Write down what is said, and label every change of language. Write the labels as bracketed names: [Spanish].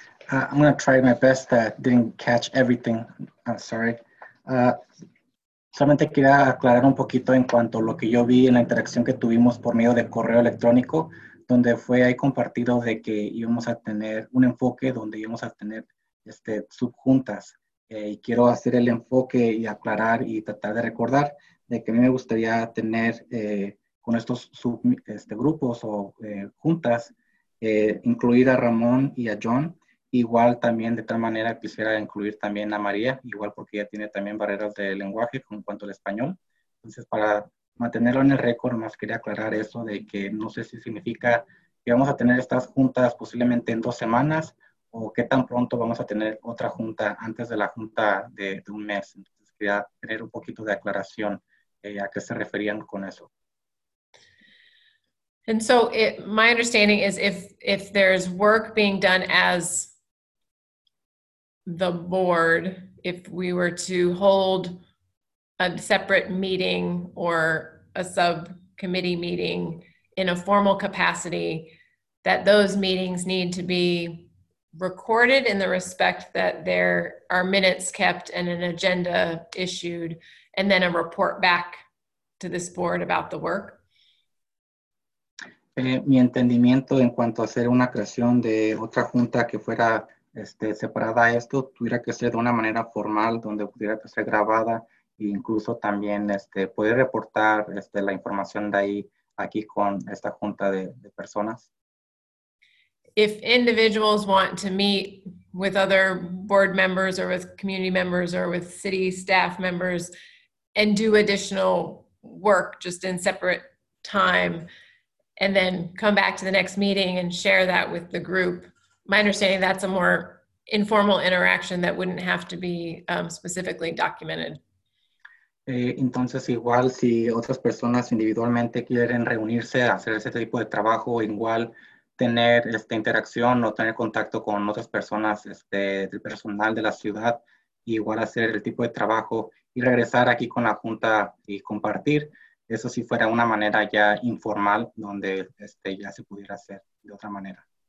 [English] I'm going to try my best that didn't catch everything. I'm sorry. [Spanish] Solamente quería aclarar un poquito en cuanto a lo que yo vi en la interacción que tuvimos por medio de correo electrónico, donde fue ahí compartido de que íbamos a tener un enfoque donde íbamos a tener subjuntas. Y quiero hacer el enfoque y aclarar y tratar de recordar de que a mí me gustaría tener con estos grupos o juntas, incluir a Ramón y a John. Igual también de tal manera quisiera incluir también a María, igual porque ella tiene también barreras de lenguaje con cuanto al español. Entonces, para mantenerlo en el récord, más quería aclarar eso de que no sé si significa que vamos a tener estas juntas posiblemente en 2 semanas, o qué tan pronto vamos a tener otra junta antes de la junta de un mes. Entonces, quería tener un poquito de aclaración a qué se referían con eso. [English] And so my understanding is if there's work being done as the board, if we were to hold a separate meeting or a subcommittee meeting in a formal capacity, that those meetings need to be recorded in the respect that there are minutes kept and an agenda issued, and then a report back to this board about the work. [Spanish] Mi entendimiento en cuanto a hacer una creación de otra junta que fuera separada a esto, tuviera que ser de una manera formal donde pudiera ser grabada e incluso también poder reportar la información de ahí aquí con esta junta de personas. [English] If individuals want to meet with other board members or with community members or with city staff members and do additional work just in separate time and then come back to the next meeting and share that with the group. My understanding, that's a more informal interaction that wouldn't have to be specifically documented. [Spanish] Entonces, igual si otras personas individualmente quieren reunirse a hacer ese tipo de trabajo, igual tener esta interacción o tener contacto con otras personas del personal de la ciudad, igual hacer el tipo de trabajo y regresar aquí con la junta y compartir, eso sí fuera una manera ya informal donde ya se pudiera hacer de otra manera.